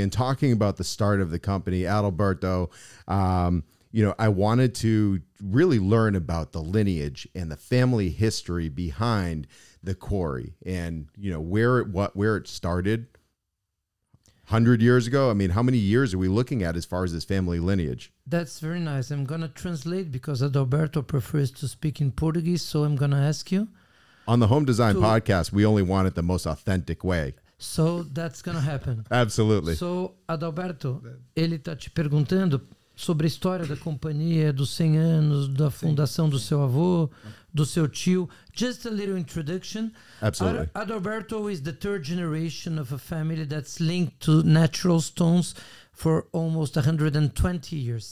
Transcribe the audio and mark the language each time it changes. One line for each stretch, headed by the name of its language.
English: And talking about the start of the company, Adalberto, you know, I wanted to really learn about the lineage and the family history behind the quarry and, you know, where it started 100 years ago. I mean, how many years are we looking at as far as this family lineage? That's very nice. I'm going to translate because Adalberto prefers to speak in Portuguese. So I'm going to ask you. On the Home Design Podcast, we only want it the most authentic way. So that's going to happen. Absolutely.
Portuguese: So Adalberto, ele está te perguntando sobre a história da companhia, dos 100 anos, da fundação do seu avô, do seu tio.
English: Just a little introduction. Absolutely. Adalberto is the third generation of a family that's linked to natural stones for almost 120 years.